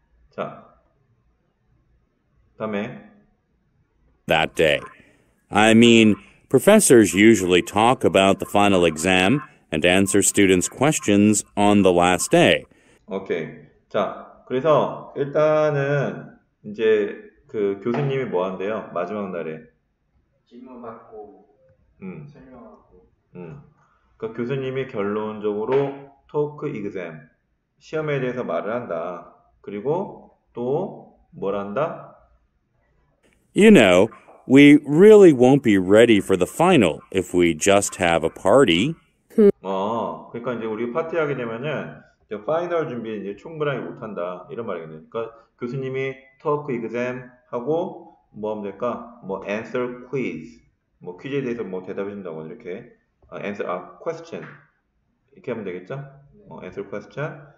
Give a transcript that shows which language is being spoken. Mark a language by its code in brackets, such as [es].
[ko] 자, 다음에 [en] That day. I mean, professors usually talk about the final exam and answer students' questions on the last day. Okay. [ko] 자, 그래서 일단은 이제 그 교수님이 뭐 한대요? 마지막 날에 질문 받고 설명하고 그러니까 교수님이 결론적으로 토크 exam 시험에 대해서 말을 한다. 그리고 또 뭘 한다? [en] You know, we really won't be ready for the final if we just have a party. [ko] 어, 그러니까 이제 우리 파티 하게 되면은 이제 파이널 준비 이제 충분하게 못 한다 이런 말이거든요. 그러니까 교수님이 토크 exam 하고 뭐 하면 될까? 뭐 answer quiz, 뭐 퀴즈에 대해서 뭐 대답해 준다고 이렇게 [en] answer a question [ko] 이렇게 하면 되겠죠? 어, answer question.